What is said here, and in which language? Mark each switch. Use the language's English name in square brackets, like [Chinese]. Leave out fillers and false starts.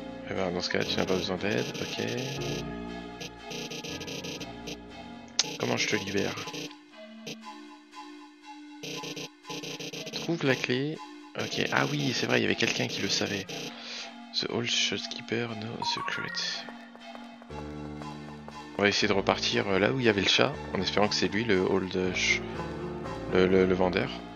[French] Et ben, dans ce cas, tu n'as pas besoin d'aide, ok. Comment je te libère? Trouve la clé. Ok, ah oui, c'est vrai, il y avait quelqu'un qui le savait. [English] The old shopkeeper knows the secret. [French] On va essayer de repartir là où il y avait le chat, en espérant que c'est lui le old le vendeur.